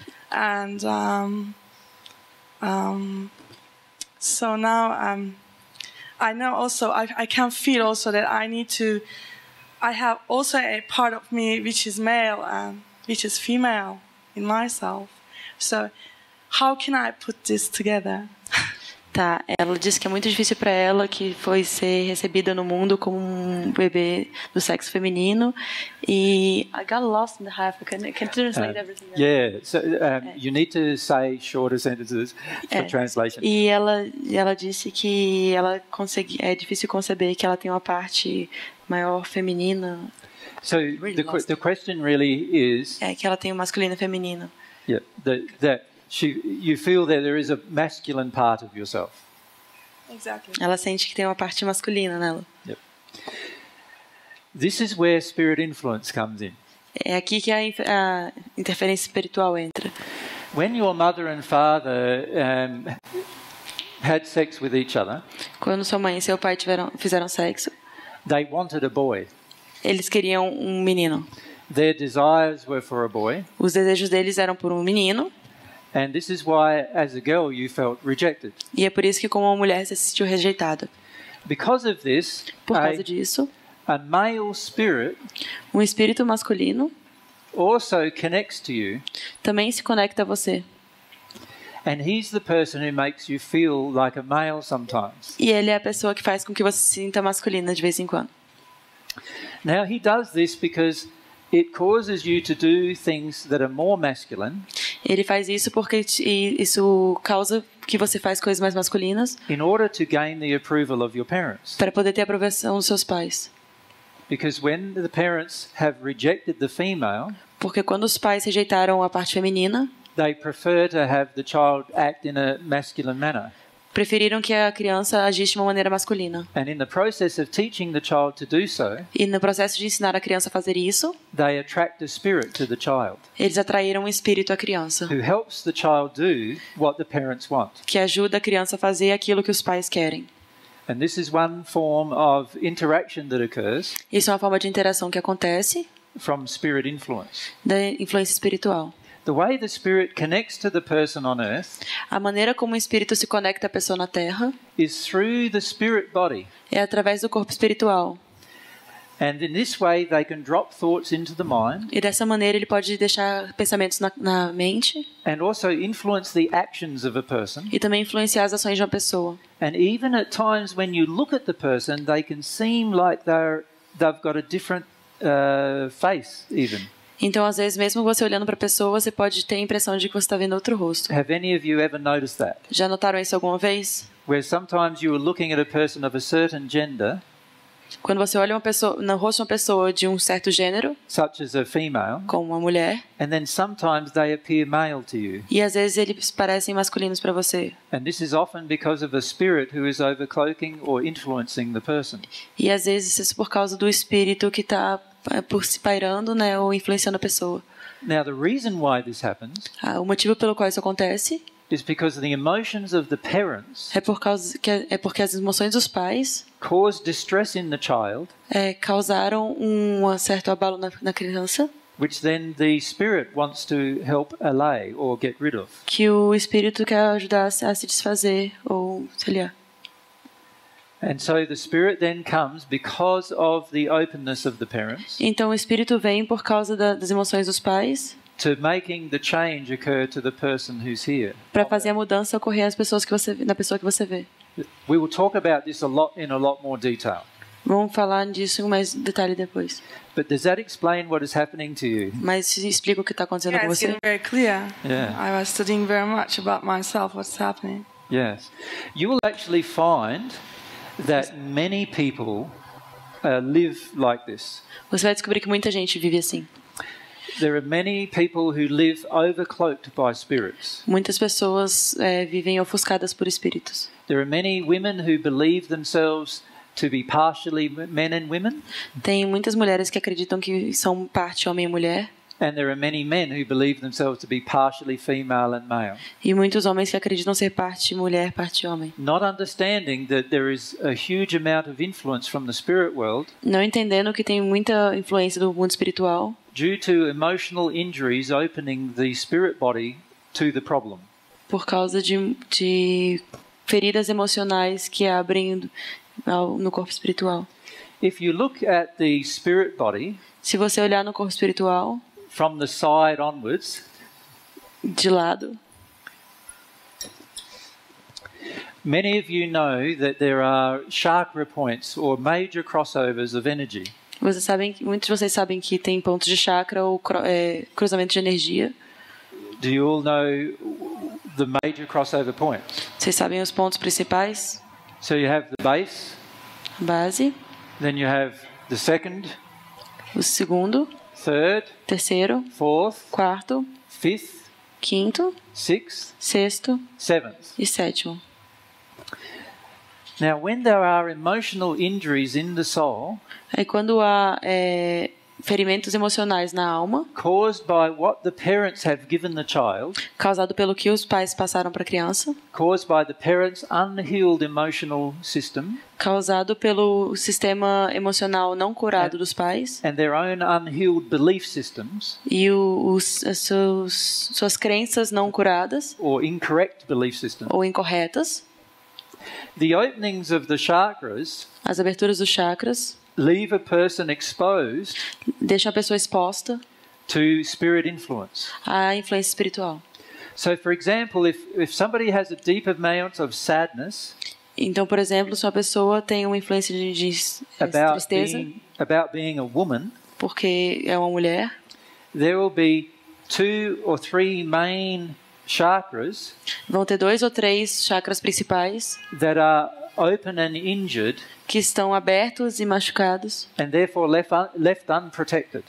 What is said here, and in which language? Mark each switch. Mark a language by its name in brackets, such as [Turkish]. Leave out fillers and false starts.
[English] And so now I know also, I can feel also that I need to, I have also a part of me which is male and which is female in myself. So how can I put this together? [Portuguese] Tá, ela disse que é muito difícil para ela que foi ser recebida no mundo como um bebê do sexo feminino e [English] I got lost in the half. Can translate everything. Yeah, so you need to say shorter sentences for translation. [Portuguese] E ela disse que ela consegue, é difícil conceber que ela tem uma parte maior feminina. [English] So really the question really is, [Portuguese] é que ela tem um masculino e feminino. [English] Yeah, that you feel that there is a masculine part of yourself. Exactly. [Portuguese] Ela sente que tem uma parte masculina nela. [English] Yep. This is where spirit influence comes in. [Portuguese] É aqui que a interferência espiritual entra. [English] When your mother and father had sex with each other. [Portuguese] Quando sua mãe e seu pai fizeram sexo. [English] They wanted a boy. [Portuguese] Eles queriam um menino. [English] Their desires were for a boy. [Portuguese] Os desejos deles eram por um menino. [English] And this is why, as a girl, you felt rejected. [Portuguese] E é por isso que como uma mulher você se sentiu rejeitada. [English] Because of this, [Portuguese] por causa disso, [English] a male spirit, [Portuguese] um espírito masculino, [English] also connects to you. [Portuguese] Também se conecta a você. [English] And he's the person who makes you feel like a male sometimes. [Portuguese] E ele é a pessoa que faz com que você se sinta masculina de vez em quando. [English] Now he does this because it causes you to do things that are more masculine. [Portuguese] Ele faz isso porque isso causa que você faz coisas mais masculinas. [English] In order to gain the approval of your parents. [Portuguese] Para poder ter a aprovação dos seus pais. [English] Because when the parents have rejected the female. [Portuguese] Porque quando os pais rejeitaram a parte feminina. [English] They prefer to have the child act in a masculine manner. [Portuguese] Preferiram que a criança agisse de uma maneira masculina. [English] And in the process of teaching the child to do so, [Portuguese] e no processo de ensinar a criança a fazer isso, [English] they attract a spirit to the child, [Portuguese] eles atraíram um espírito à criança, [English] who helps the child do what the parents want. [Portuguese] Que ajuda a criança a fazer aquilo que os pais querem. [English] And this is one form of interaction that occurs, [Portuguese] isso é uma forma de interação que acontece [English] from spirit influence. [Portuguese] Da influência espiritual. [English] The way the spirit connects to the person on earth, [Portuguese] a maneira como o espírito se conecta à pessoa na Terra, [English] is through the spirit body. [Portuguese] É através do corpo espiritual. [English] And in this way, they can drop thoughts into the mind. [Portuguese] E dessa maneira ele pode deixar pensamentos na mente. [English] And also influence the actions of a person. [Portuguese] E também influenciar as ações de uma pessoa. [English] And even at times when you look at the person, they can seem like they've got a different face, even. [Portuguese] Então, às vezes, mesmo você olhando para a pessoa, você pode ter a impressão de que você está vendo outro rosto. [English] Have any of you ever noticed that? [Portuguese] Já notaram isso alguma vez? [English] Where sometimes you are looking at a person of a certain gender. [Portuguese] Quando você olha uma pessoa, no rosto uma pessoa de um certo gênero, [English] such as a female, [Portuguese] como uma mulher, [English] and then sometimes they appear male to you. [Portuguese] E às vezes eles parecem masculinos para você. [English] And this is often because of a spirit who is overcloaking or influencing the person. [Portuguese] E às vezes isso é por causa do espírito que está pairando, né, ou influenciando a pessoa. [English] Now the reason why this happens. [Portuguese] O motivo pelo qual isso acontece. [English] Is because the emotions of the parents. [Portuguese] É porque as emoções dos pais. [English] Cause distress in the child. [Portuguese] Causaram um certo abalo na criança. [English] Which then the spirit wants to help allay or get rid of. [Portuguese] Que o espírito quer ajudar a se desfazer ou se aliar. [English] And so the spirit then comes because of the openness of the parents. [Portuguese] Então o espírito vem por causa das emoções dos pais. [English] To making the change occur to the person who's here. [Portuguese] Para fazer a mudança ocorrer na pessoa que você vê. [English] We will talk about this in a lot more detail. [Portuguese] Vamos falar disso em mais detalhe depois. [English] But does that explain what is happening to you? [Portuguese] Mas explica o que está acontecendo com você? [English] Yeah, it's getting very clear. Yeah. I was studying very much about myself, what's happening. Yes. You will actually find that many people live like this. [Portuguese] Você vai descobrir que muita gente vive assim. [English] There are many people who live overcloaked by spirits. [Portuguese] Muitas pessoas vivem ofuscadas por espíritos. [English] There are many women who believe themselves to be partially men and women. [Portuguese] Tem muitas mulheres que acreditam que são parte homem e mulher. [English] And there are many men who believe themselves to be partially female and male. [Portuguese] E muitos homens que acreditam ser parte mulher, parte homem. [English] Not understanding that there is a huge amount of influence from the spirit world. [Portuguese] Não entendendo que tem muita influência do mundo espiritual. [English] Due to emotional injuries opening the spirit body to the problem. [Portuguese] Por causa de feridas emocionais que abrem no corpo espiritual. [English] If you look at the spirit body. [Portuguese] Se você olhar no corpo espiritual. [English] From the side onwards. [Portuguese] De lado. [English] Many of you know that there are chakra points or major crossovers of energy. [Portuguese] Muitos de vocês sabem que tem pontos de chakra ou cruzamento de energia. [English] Do you all know the major crossover points? [Portuguese] Vocês sabem os pontos principais? [English] So you have the base. [Portuguese] Base. [English] Then you have the second. [Portuguese] O segundo. [English] Third. [Portuguese] Terceiro. [English] Fourth. [Portuguese] Quarto. [English] Fifth. [Portuguese] Quinto. [English] Sixth. [Portuguese] Sexto. [English] Seventh. [Portuguese] E sétimo. [English] Now, when there are emotional injuries in the soul, [Portuguese] quando há ferimentos emocionais na alma, [English] caused by what the parents have given the child, [Portuguese] causado pelo que os pais passaram para a criança, [English] caused by the parents' unhealed emotional system, [Portuguese] causado pelo sistema emocional não curado dos pais, [English] and their own unhealed belief systems, [Portuguese] e suas crenças não curadas, [English] or incorrect belief systems, [Portuguese] ou incorretas. [English] The openings of the chakras, [Portuguese] as aberturas dos chakras, [English] leave a person exposed, [Portuguese] deixa a pessoa exposta, [English] to spirit influence, [Portuguese] à influência espiritual. [English] So, for example, if somebody has a deep amount of sadness, [Portuguese] então, por exemplo, se uma pessoa tem uma influência de [English] about [Portuguese] tristeza, [English] about being a woman, [Portuguese] porque é uma mulher, [English] there will be two or three main chakras, [Portuguese] vão ter dois ou três chakras principais [English] that are open and injured, [Portuguese] que estão abertos e machucados, [English] and therefore left unprotected.